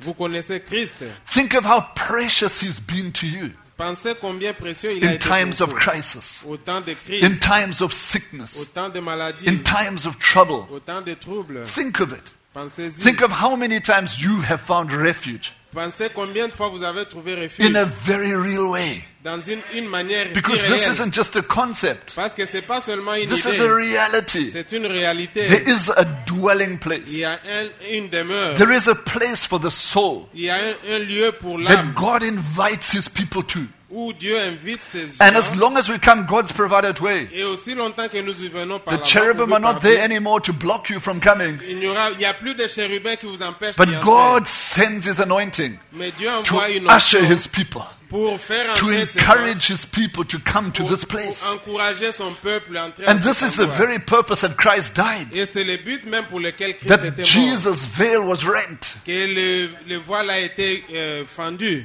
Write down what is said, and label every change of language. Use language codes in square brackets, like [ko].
[fr] Vous connaissez Christ. [en] Think of how precious he's been to you. [fr] Pensez combien précieux il [en] in [fr] a été [en] times [fr] pour [en] of crisis, [fr] au temps de crise, [en] in times of sickness, [fr] au temps de maladie, [en] in times of trouble. [fr] Au temps de trouble. [en] Think of it. [fr] Pensez-y. [en] Think of how many times you have found refuge. [fr] Pensez combien de fois vous avez trouvé refuge. [en] In a very real way. [fr] Dans une manière [en] because [fr] si [en] this [fr] réelle. [en] Isn't just a concept. [fr] Parce que c'est pas seulement une [en] this [fr] idée. [en] Is a reality. [fr] C'est une réalité. [en] There is a dwelling place. [fr] Il y a une demeure. [en] There is a place for the soul. [fr] Il y a un lieu pour l'âme. [en] That God invites his people to. [fr] Où Dieu invite ses gens. [en] And as long as we come God's provided way. [fr] Et aussi longtemps que nous y venons par [en] the cherubim are not there anymore to block you from coming. [fr] Il y a plus de chérubins qui vous empêchent [en] but God sends his anointing [fr] mais Dieu envoie [en] to [fr] une onction [en] usher his people. [fr] Pour faire [en] to encourage his people to come to this place. [fr] Pour encourager son peuple à entrer [en] and this is the very purpose that Christ died. [fr] Et c'est le but même pour lequel Christ [en] that [fr] était [en] Jesus' [fr] mort. [en] Veil was rent. [fr] Que le voile a été fendu.